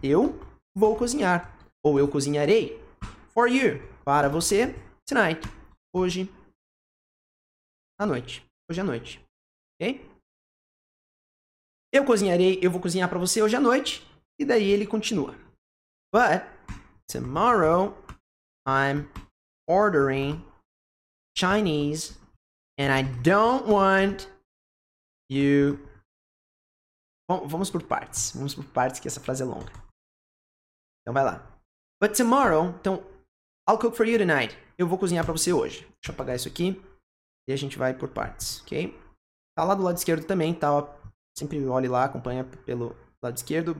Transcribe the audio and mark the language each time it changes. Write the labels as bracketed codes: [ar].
[pt] Eu vou cozinhar. Ou eu cozinharei. [en] For you. [pt] Para você. Tonight. Hoje. À noite. Hoje à noite. Ok? Eu cozinharei. Eu vou cozinhar para você hoje à noite. E daí ele continua. [en] But tomorrow I'm ordering Chinese and I don't want you... [pt] Bom, vamos por partes. Vamos por partes que essa frase é longa. Então [en] vai lá. But tomorrow... Então, I'll cook for you tonight. [pt] Eu vou cozinhar para você hoje. Deixa eu apagar isso aqui. E a gente vai por partes, ok? Tá lá do lado esquerdo também, tá? Sempre olhe lá, acompanha pelo lado esquerdo.